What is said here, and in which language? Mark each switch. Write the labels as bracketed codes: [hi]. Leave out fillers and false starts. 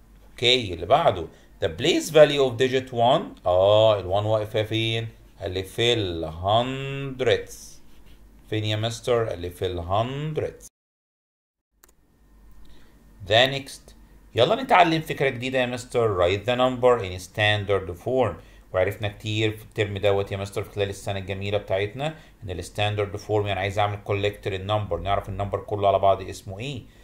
[ar] اوكي اللي بعده [en] the place value of digit 1 [ar] ال 1 واقفه فين؟ اللي في الهندردز. فين يا مستر؟ اللي في الهندردز. The next يلا نتعلم فكرة جديدة يا مستر. [en] Write the number in standard form. [ar] وعرفنا كتير في الترم دوت يا مستر في خلال السنة الجميلة بتاعتنا ان الستاندرد فورم يعني عايز اعمل [en] collect the number، [ar] نعرف النمبر كله على بعض اسمه ايه.